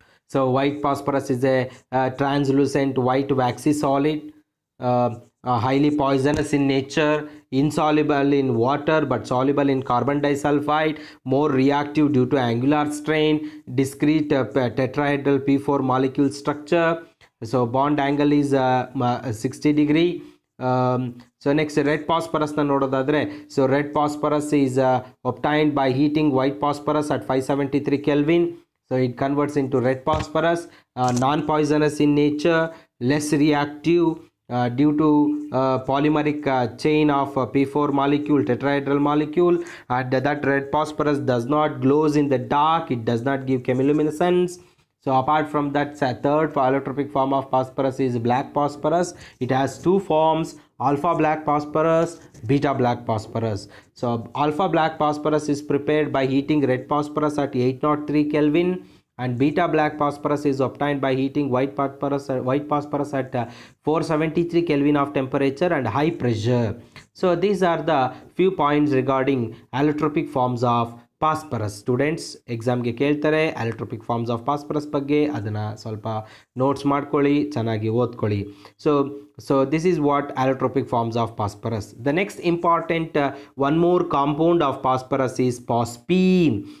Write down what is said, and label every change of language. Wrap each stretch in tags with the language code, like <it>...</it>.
<en>So white phosphorus is a translucent white waxy solid, highly poisonous in nature, insoluble in water but soluble in carbon disulphide, more reactive due to angular strain, discrete tetrahedral P4 molecule structure. So bond angle is 60 degrees. So next</en> <kn>red ಪಾಸ್ಪರಸ್ನ ನೋಡೋದಾದರೆ,</kn> <en>So red phosphorus is obtained by heating white phosphorus at 573 kelvin. So it converts into red phosphorus, non-poisonous in nature, less reactive due to polymeric chain of P4 molecule, tetrahedral molecule, and that red phosphorus does not glows in the dark, it does not give chemiluminescence. So apart from that, third allotropic form of phosphorus is black phosphorus. It has two forms, alpha black phosphorus, beta black phosphorus. So alpha black phosphorus is prepared by heating red phosphorus at 803 Kelvin, and beta black phosphorus is obtained by heating white phosphorus at 473 Kelvin of temperature and high pressure. So these are the few points regarding allotropic forms of phosphorus.</en> <kn>Students ಎಕ್ಸಾಮ್ಗೆ ಕೇಳ್ತಾರೆ ಎಲೆಕ್ಟ್ರಾಪಿಕ್ forms of phosphorus ಬಗ್ಗೆ, ಅದನ್ನು ಸ್ವಲ್ಪ notes ಮಾಡ್ಕೊಳ್ಳಿ, ಚೆನ್ನಾಗಿ ಓದ್ಕೊಳ್ಳಿ.</kn> <en>So this is what allotropic forms of phosphorus. The next important one more compound of phosphorus is phosphine.</en>